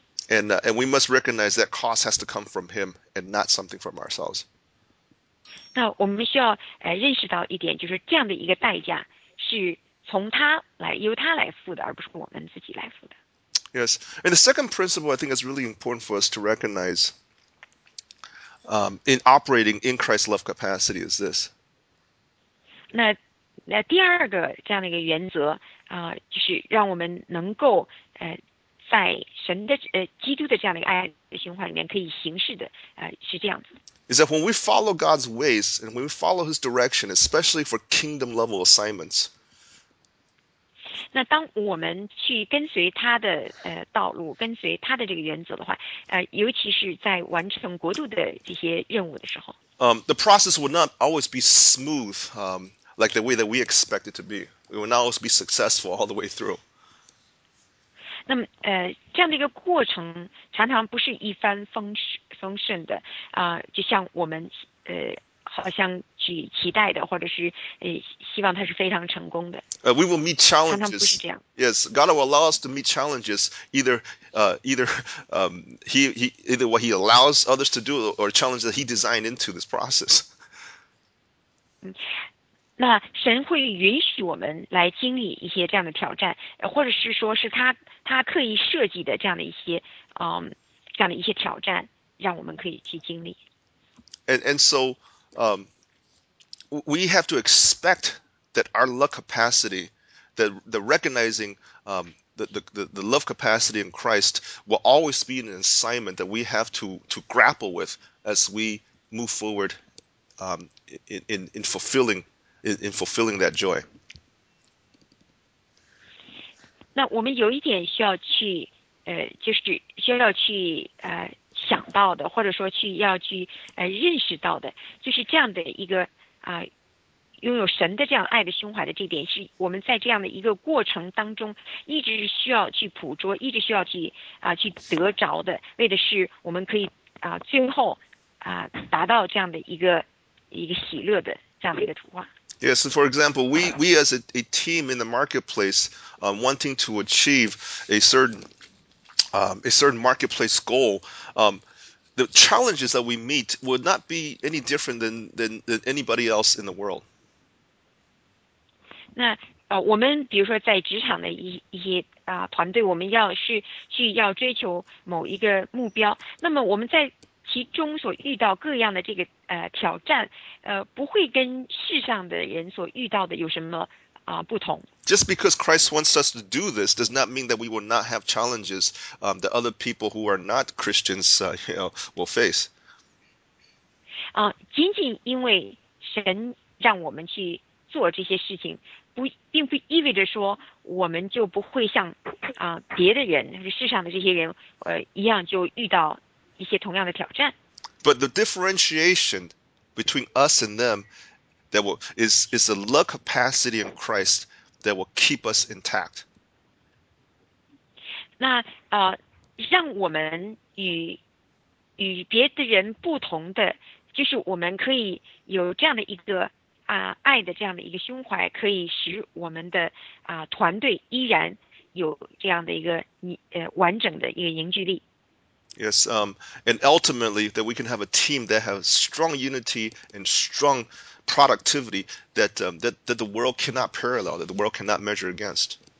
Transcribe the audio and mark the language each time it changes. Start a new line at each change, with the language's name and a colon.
English: And we must recognize that cost has to come from Him and not something from ourselves.
Chinese: 那我们需要认识到一点，就是这样的一个代价是从他来由他来付的，而不是我们自己来付的。
English: Yes, and the second principle I think is really important for us to recognize in operating in Christ's love capacity is this.
Chinese: 那第二个这样的一个原则就是让我们能够在神的基督的这样的一个爱的循环里面可以行事的是这样子。
English: Is that when we follow God's ways and when we follow His direction, especially for kingdom level assignments,
Chinese: 那当我们去跟随他的道路，跟随他的这个原则的话，尤其是在完成国度的这些任务的时候，
English: The process will not always be smooth, like the way that we expect it to be. It will not always be successful all the way through.
Chinese: 那么这样的一个过程常常不是一帆风顺的就像我们好像去期待的，或者是希望他是非常成功的。
English: We will meet challenges.
Chinese: 常常不是这样。
English: Yes, God will allow us to meet challenges, either what He allows others to do, or challenges that He designed into this process.
Chinese: 那神会允许我们来经历一些这样的挑战，或者是说是他刻意设计的这样的一些这样的一些挑战，让我们可以去经历。
English: And so. We have to expect that our love capacity, that the recognizing the love capacity in Christ will always be an assignment that we have to grapple with as we move forward in fulfilling that joy.
Chinese: 那我们有一点需要去就是需要去想到的，或者说去要去认识到的，就是这样的一个拥有神的这样爱的胸怀的这点，是我们在这样的一个过程当中一直需要去捕捉，一直需要去得着的，为的是我们可以最后达到这样的一个喜乐的这样的一个图画。
English: Yes, for example, we as a team in the marketplace, wanting to achieve a certain marketplace goal, the challenges that we meet would not be any different than anybody else in the world.
Chinese: 那我们比如说在职场的一些团队，我们要去要追求某一个目标，那么我们在其中所遇到各样的这个挑战，不会跟世上的人所遇到的有什么不同。
English: Just because Christ wants us to do this does not mean that we will not have challenges that other people who are not Christians will face.
Chinese: 仅仅因为神让我们去做这些事情，并不意味着说我们就不会像别的人，世上的这些人一样就遇到一些同样的挑战。
English: But the differentiation between us and them that will is the love capacity in Christ that will keep us intact.
Chinese: 那让我们与别的人不同的，就是我们可以有这样的一个爱的这样的一个胸怀，可以使我们的团队依然有这样的一个完整的一个凝聚力。
English: Yes, and ultimately that we can have a team that has strong unity and strong productivity that the world cannot parallel, that the world cannot measure against.